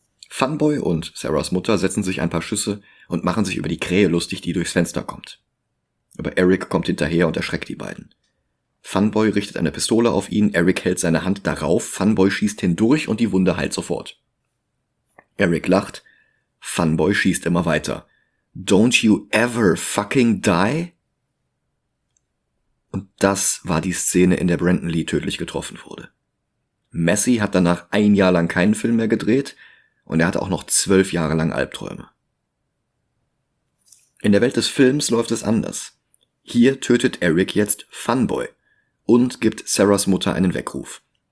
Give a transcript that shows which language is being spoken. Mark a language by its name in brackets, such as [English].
[German] Funboy und Sarahs Mutter setzen sich ein paar Schüsse und machen sich über die Krähe lustig, die durchs Fenster kommt. Aber Eric kommt hinterher und erschreckt die beiden. Funboy richtet eine Pistole auf ihn, Eric hält seine Hand darauf, Funboy schießt hindurch und die Wunde heilt sofort. Eric lacht, Funboy schießt immer weiter. [English] Don't you ever fucking die? [German] Und das war die Szene, in der Brandon Lee tödlich getroffen wurde. Messi hat danach ein Jahr lang keinen Film mehr gedreht und er hatte auch noch 12 Jahre lang Albträume. In der Welt des Films läuft es anders. Hier tötet Eric jetzt Funboy und gibt Sarahs Mutter einen Weckruf.